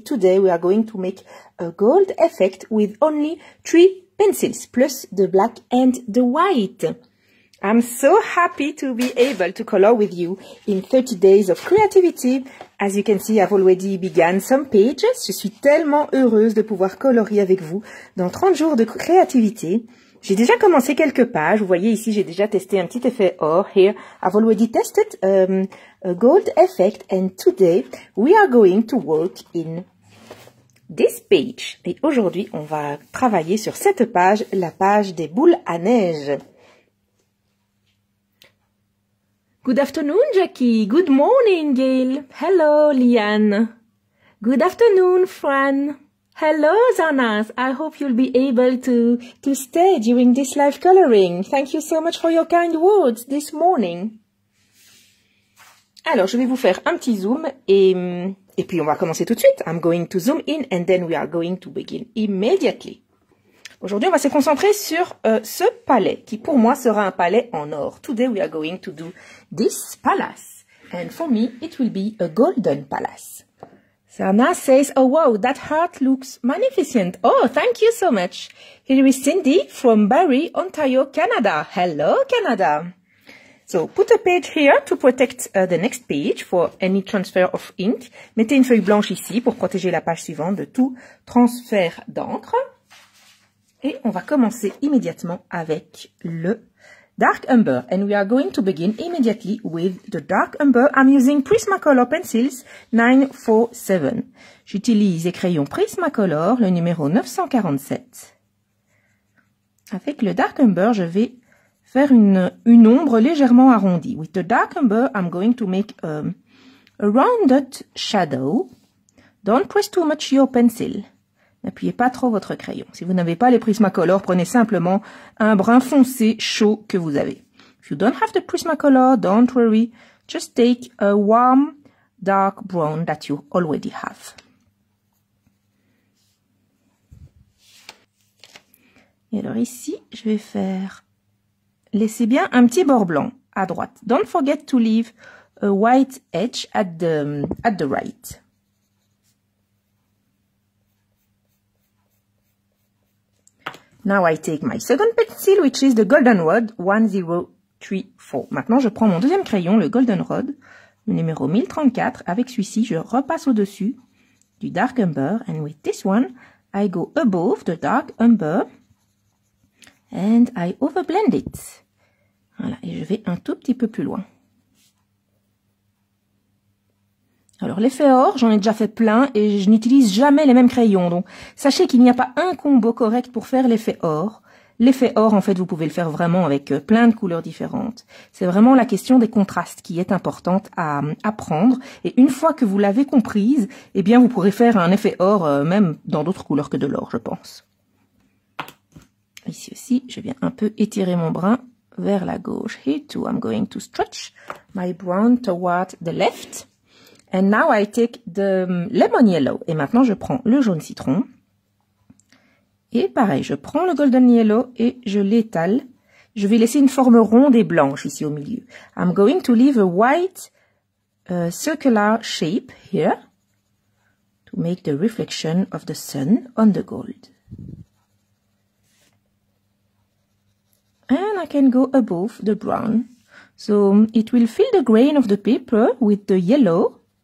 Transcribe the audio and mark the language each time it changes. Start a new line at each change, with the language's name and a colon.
English: Today we are going to make a gold effect with only 3 pencils plus the black and the white. I'm so happy to be able to color with you in 30 days of creativity. As you can see, I've already begun some pages.
French: Je suis tellement heureuse de pouvoir colorier avec vous dans 30 jours de créativité. J'ai déjà commencé quelques pages. Vous voyez ici, j'ai déjà testé un petit effet or.
English: Here, I've already tested a gold effect. And today, we are going to work in this page.
French: Et aujourd'hui, on va travailler sur cette page, la page des boules à neige.
English: Good afternoon, Jackie. Good morning, Gail. Hello, Liane. Good afternoon, Fran. Hello, Zanas. I hope you'll be able to stay during this live coloring. Thank you so much for your kind words this morning.
French: Alors, je vais vous faire un petit zoom et puis on va commencer tout de suite.
English: I'm going to zoom in and then we are going to begin immediately.
French: Aujourd'hui, on va se concentrer sur ce palais, qui pour moi sera un palais en or.
English: Today, we are going to do this palace. And for me, it will be a golden palace. Sana says, oh wow, that heart looks magnificent. Oh, thank you so much. Here is Cindy from Barrie, Ontario, Canada. Hello, Canada. So, put a page here to protect the next page for any transfer of ink.
French: Mettez une feuille blanche ici pour protéger la page suivante de tout transfert d'encre. Et on va commencer immédiatement avec le dark umber.
English: And we are going to begin immediately with the dark umber. I'm using Prismacolor pencils 947.
French: J'utilise les crayons Prismacolor, le numéro 947. Avec le dark umber, je vais faire une ombre légèrement arrondie.
English: With the dark umber, I'm going to make a rounded shadow. Don't press too much your pencil.
French: N'appuyez pas trop votre crayon. Si vous n'avez pas les Prismacolor, prenez simplement un brun foncé chaud que vous avez.
English: If you don't have the Prismacolor, don't worry. Just take a warm, dark brown that you already have.
French: Et alors ici, je vais faire... Laissez bien un petit bord blanc à droite.
English: Don't forget to leave a white edge at the right. Now I take my second pencil, which is the Goldenrod 1034.
French: Maintenant, je prends mon deuxième crayon, le Goldenrod, le numéro 1034. Avec celui-ci, je repasse au-dessus du dark umber.
English: And with this one, I go above the dark umber and I overblend it.
French: Voilà, et je vais un tout petit peu plus loin. Alors l'effet or, j'en ai déjà fait plein et je n'utilise jamais les mêmes crayons. Donc sachez qu'il n'y a pas un combo correct pour faire l'effet or. L'effet or, en fait, vous pouvez le faire vraiment avec plein de couleurs différentes. C'est vraiment la question des contrastes qui est importante à apprendre. Et une fois que vous l'avez comprise, eh bien vous pourrez faire un effet or même dans d'autres couleurs que de l'or, je pense. Ici aussi, je viens un peu étirer mon brun vers la gauche.
English: Here too, I'm going to stretch my brown toward the left. And now I take the lemon yellow.
French: Et maintenant, je prends le jaune citron. Et pareil, je prends le golden yellow et je l'étale. Je vais laisser une forme ronde et blanche ici au milieu.
English: I'm going to leave a white circular shape here to make the reflection of the sun on the gold. And I can go above the brown. So it will fill the grain of the paper with the yellow.